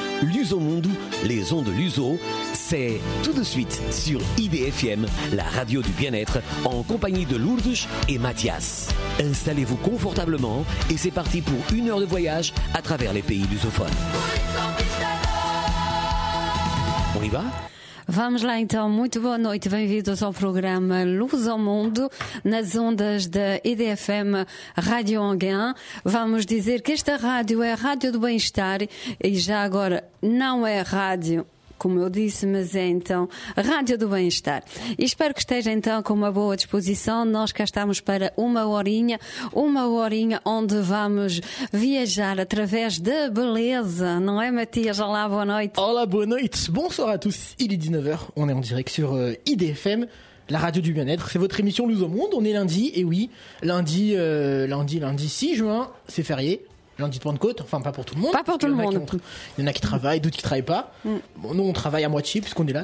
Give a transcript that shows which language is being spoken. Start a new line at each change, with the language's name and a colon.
French: Luso Mundo, les ondes Luso, c'est tout de suite sur IDFM, la radio du bien-être, en compagnie de Lourdes et Mathias. Installez-vous confortablement et c'est parti pour une heure de voyage à travers les pays lusophones. On y va?
Portuguese: Vamos lá então, muito boa noite, bem-vindos ao programa Luz ao Mundo, nas ondas da EDFM Rádio Anguin. Vamos dizer que esta rádio é a Rádio do Bem-Estar e já agora não é rádio, como eu disse, mas é então Rádio do Bem-Estar. E espero que esteja então com uma boa disposição. Nós cá estamos para uma horinha onde vamos viajar através da beleza. Não é, Matias? Olá, boa noite. Olá, boa noite.
French: Bonsoir à tous. Il est 19h. On est en direct sur IDFM, la Radio du Bien-être. C'est votre émission Luz au Monde. On est lundi, et oui, lundi 6 juin, c'est férié. Lundi de Pentecôte, enfin pas pour tout le monde. Pas pour tout le monde. Il y en a qui travaillent, d'autres qui ne travaillent pas. Mm. Bon, nous, on travaille à moitié puisqu'on est là.